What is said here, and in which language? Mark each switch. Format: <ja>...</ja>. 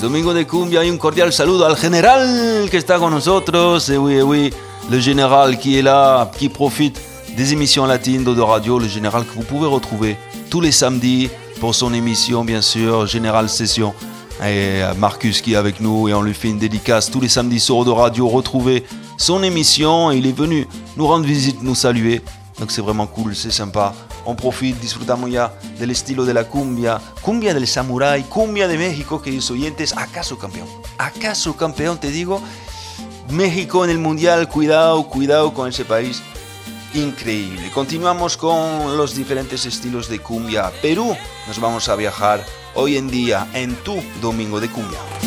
<es>Domingo de cumbia, y un cordial saludo al general que está con nosotros.</es> <fr>Et oui, et oui, le général qui est là, qui profite des émissions latines de radio. Le général que vous pouvez retrouver tous les samedis pour son émission, bien sûr, Général Session. Et Marcus qui est avec nous et on lui fait une dédicace tous les samedis sur Eau Radio, retrouver son émission. Il est venu nous rendre visite, nous saluer. Donc c'est vraiment cool, c'est sympa. On profite,</fr> <es>disfrutamos ya del estilo de la cumbia, cumbia del samurai, cumbia de México, queridos oyentes. ¿Acaso campeón? ¿Acaso campeón? Te digo, México en el mundial, cuidado, cuidado con ese país increíble. Continuamos con los diferentes estilos de cumbia. Perú, nos vamos a viajar hoy en día en tu domingo de cumbia.</es>